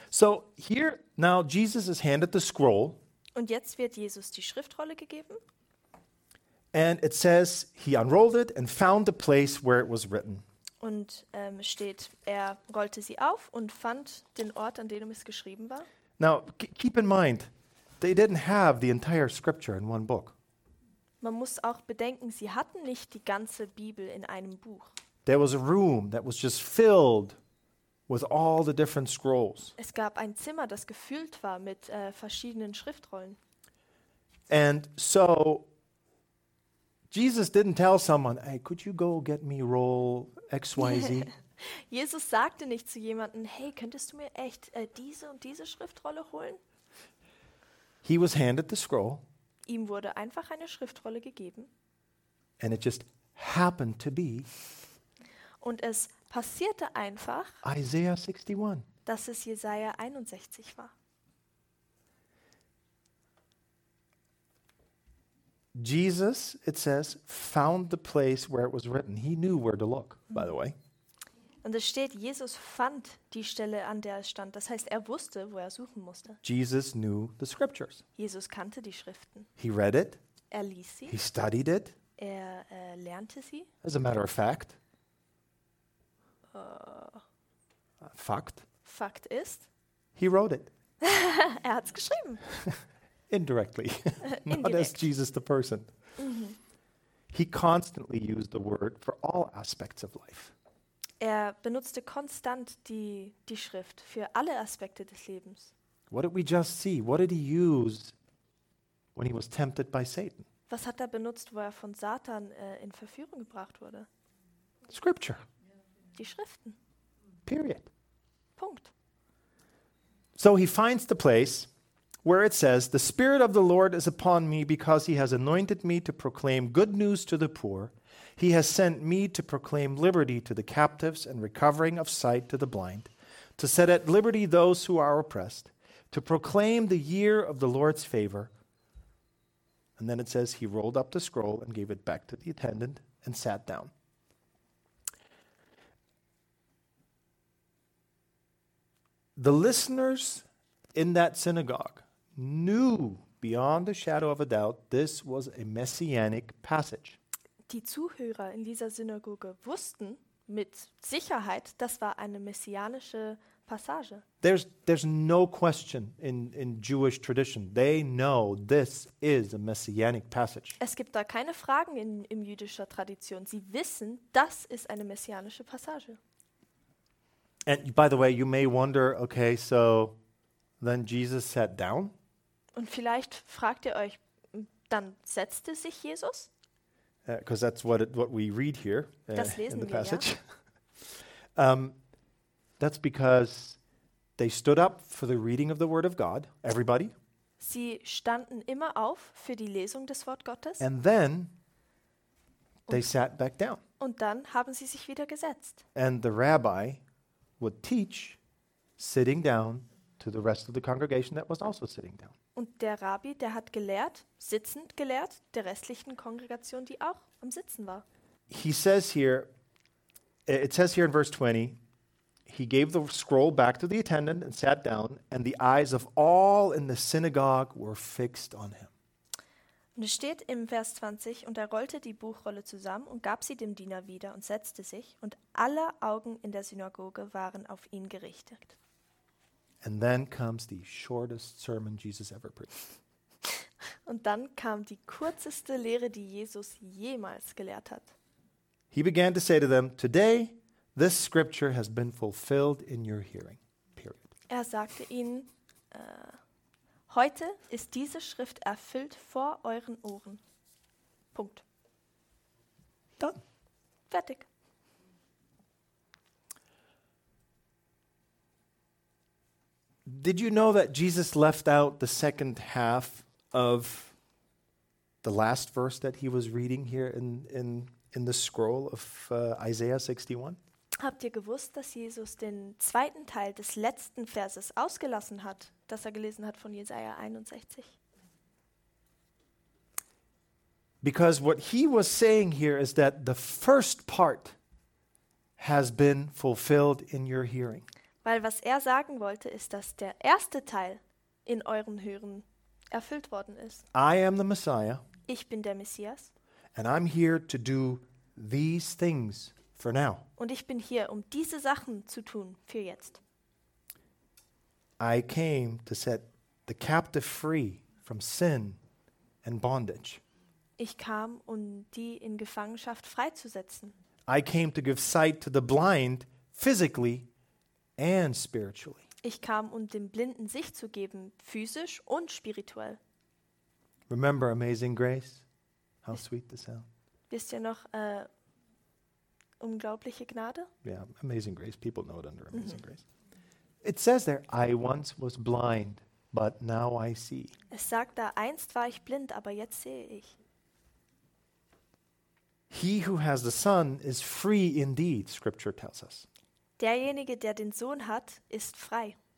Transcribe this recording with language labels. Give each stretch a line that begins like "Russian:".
English: So here now Jesus is handed the scroll.
German: Und jetzt wird Jesus die Schriftrolle gegeben.
English: And it says he unrolled it and found the place where it was written.
German: Und steht, er rollte sie auf und fand den Ort, an dem es geschrieben war.
English: Now keep in mind, they didn't have the entire scripture in one book.
German: Man muss auch bedenken, sie hatten nicht die ganze Bibel in einem Buch.
English: There was a room that was just filled with all the different scrolls.
German: Es gab ein Zimmer, das gefüllt war mit verschiedenen Schriftrollen.
English: And so Jesus didn't tell someone, hey, could you go get me roll XYZ?
German: Jesus sagte nicht zu jemandem, hey, könntest du mir echt diese und diese Schriftrolle holen?
English: He was handed the scroll.
German: Ihm wurde einfach eine Schriftrolle gegeben.
English: And it just happened to be.
German: Und es passierte einfach,
English: Isaiah 61.
German: Dass es Jesaja 61 war.
English: Jesus, it says, found the place where it was written. He knew where to look, by the way.
German: Und es steht, Jesus fand die Stelle, an der es stand. Das heißt, er wusste, wo er suchen musste.
English: Jesus knew the scriptures.
German: Jesus kannte die Schriften.
English: He read it.
German: Er liest sie.
English: He studied it.
German: Er lernte sie.
English: As a matter of fact.
German: Fakt. Fakt ist.
English: He wrote it.
German: Er hat's geschrieben.
English: Indirectly. Not as Jesus the person. Mm-hmm. He constantly used the word for all aspects of life.
German: Er benutzte konstant die Schrift für alle Aspekte des Lebens.
English: What did we just see? What did he use when he was tempted by Satan?
German: Was hat er benutzt, wo er von Satan in Verführung gebracht wurde?
English: Scripture.
German: Die Schriften.
English: Period.
German: Punkt.
English: So he finds the place where it says, the Spirit of the Lord is upon me because he has anointed me to proclaim good news to the poor. He has sent me to proclaim liberty to the captives and recovering of sight to the blind, to set at liberty those who are oppressed, to proclaim the year of the Lord's favor. And then it says, he rolled up the scroll and gave it back to the attendant and sat down. The listeners in that synagogue knew beyond a shadow of a doubt this was a messianic passage.
German: Die Zuhörer in dieser Synagoge wussten mit Sicherheit, das war eine messianische Passage.
English: There's no question in Jewish tradition. They know this is a messianic passage.
German: Es gibt da keine Fragen in jüdischer Tradition. Sie wissen, das ist eine messianische Passage.
English: And by the way, you may wonder, okay, so then Jesus sat down?
German: Und vielleicht fragt ihr euch, dann setzte sich Jesus?
English: Because that's what we read here in the passage.
German: Ja.
English: That's because they stood up for the reading of the Word of God, everybody.
German: Sie standen immer auf für die Lesung des Wort Gottes.
English: And then they sat back down.
German: Und dann haben sie sich wieder gesetzt.
English: And the rabbi would teach sitting down to the rest of the congregation that was also sitting down.
German: Und der Rabbi, der hat gelehrt, sitzend gelehrt, der restlichen Kongregation, die auch am Sitzen war.
English: He says here, it says here in verse 20, he gave the scroll back to the attendant and sat down, and the eyes of all in the synagogue were fixed on him.
German: Und es steht im Vers 20, und er rollte die Buchrolle zusammen und gab sie dem Diener wieder und setzte sich, und alle Augen in der Synagoge waren auf ihn gerichtet.
English: And then comes the shortest sermon Jesus ever preached.
German: Und dann kam die kürzeste Lehre, die Jesus jemals gelehrt hat.
English: He began to say to them, today this scripture has been fulfilled in your hearing. Period.
German: Er sagte ihnen, Heute ist diese Schrift erfüllt vor euren Ohren. Punkt. Dann. Fertig.
English: Did you know that Jesus left out the second half of the last verse that he was reading here in the scroll of Isaiah 61?
German: Habt ihr gewusst, dass Jesus den zweiten Teil des letzten Verses ausgelassen hat, das er gelesen hat von Jesaja 61?
English: Because what he was saying here is that the first part has been fulfilled in your hearing.
German: Weil was er sagen wollte, ist, dass der erste Teil in euren Hören erfüllt worden ist.
English: I am the Messiah.
German: Ich bin der Messias.
English: And I'm here to do these things for now.
German: Und ich bin hier, um diese Sachen zu tun für jetzt.
English: I came to set the captive free from sin and bondage.
German: Ich kam, um die in Gefangenschaft freizusetzen.
English: I came to give sight to the blind physically and spiritually.
German: Ich kam, um dem Blinden Sicht zu geben, physisch und spirituell.
English: Remember Amazing Grace? How sweet the sound.
German: Wisst ihr noch unglaubliche Gnade?
English: Yeah, Amazing Grace. People know it under Amazing Grace. It says there, I once was blind, but now I see.
German: Es sagt da, einst war ich blind, aber jetzt sehe ich.
English: He who has the Son is free indeed, Scripture tells us.
German: Derjenige, der den Sohn hat, ist frei.